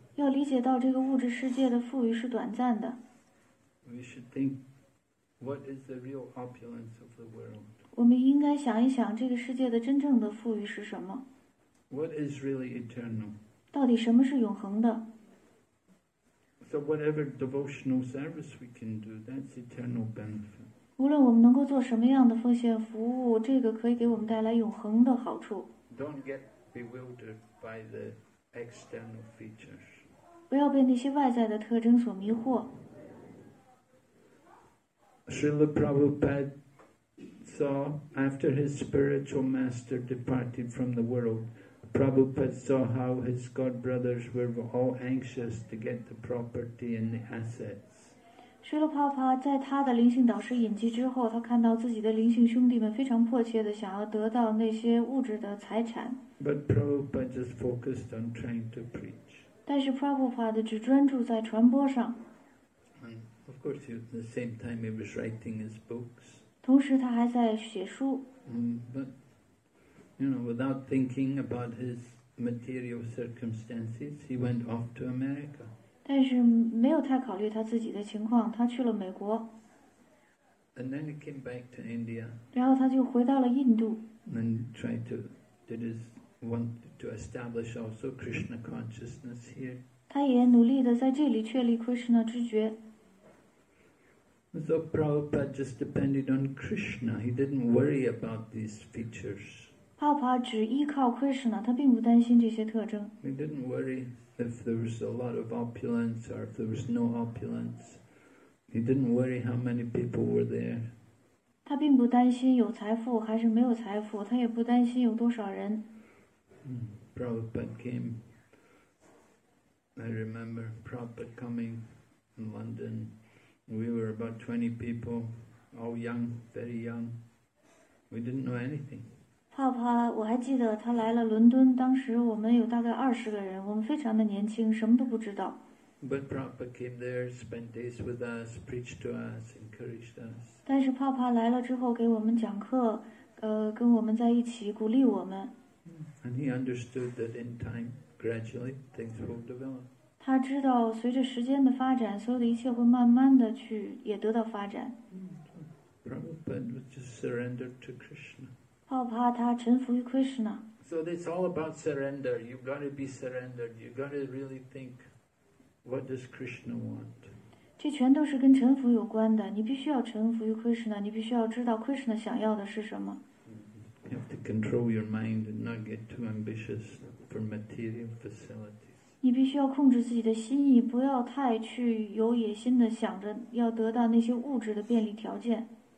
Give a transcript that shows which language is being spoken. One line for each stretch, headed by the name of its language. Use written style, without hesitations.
Chinese: 要理解到这个物质世界的富裕是短暂的。
English: We should think, what is the real opulence of the world?
Chinese: 我们应该想一想这个世界的真正的富裕是什么。
English: What is really eternal?
Chinese: 到底什么是永恒的？
English: So whatever devotional service we can do, that's eternal benefit.
Chinese: 无论我们能够做什么样的奉献服务，这个可以给我们带来永恒的好处。
English: Don't get bewildered by the external features.
Chinese: 不要被那些外在的特征所迷惑。
English: Srila Prabhupada saw after his spiritual master departed from the world. Prabhupada saw how his god brothers were all anxious to get the property and the assets.
Chinese: Srila Prabhupada 在他的灵性导师隐居之后，他看到自己的灵性兄弟们非常迫切地想要得到那些物质的财产。
English: But Prabhupada just focused on trying to preach.
Chinese: 但是 Prabhupada 只专注在传播上。
English: And of course, at the same time, he was writing his books.
Chinese: 同时他还在写书。
English: You know, without thinking about his material circumstances, he went off to America.
Chinese: 但是没有太考虑他自己的情况，他去了美国。
English: And then he came back to India.
Chinese: 然后他就回到了印度。
English: And tried to, did his want to establish also Krishna consciousness here.
Chinese: 他也努力地在这里确立 Krishna 知觉。
English: So Prabhupada just depended on Krishna. He didn't worry about these features.
Chinese: 帕帕只依靠 Krishna, 他并不担心这些特征。
English: He didn't worry if there was a lot of opulence or if there was no opulence. He didn't worry how many people were there.
Chinese: 他并不担心有财富还是没有财富，他也不担心有多少人。
English: Prabhupada came. I remember Prabhupada coming in London. We were about 20 people, all young, very young. We didn't know anything.
Chinese: 帕帕，我还记得他来了伦敦，当时我们有大概20个人，我们非常的年轻，什么都不知道。
English: But Prabhupada came there, spent days with us, preached to us, encouraged us.
Chinese: 但是帕帕来了之后给我们讲课，跟我们在一起鼓励我们。
English: And he understood that in time, gradually, things will develop.
Chinese: 他知道随着时间的发展，所有的一切会慢慢的去也得到发展。
English: Prabhupada was just surrendered to Krishna.
Chinese: 帕帕他臣服于 Krishna.
English: So it's all about surrender. You've got to be surrendered. You've got to really think. What does Krishna want?
Chinese: 这全都是跟臣服有关的。你必须要臣服于 Krishna， 你必须要知道 Krishna 想要的是什么。
English: You have to control your mind and not get too ambitious for material facilities.
Chinese: 你必须要控制自己的心意，不要太去有野心的想着要得到那些物质的便利条件。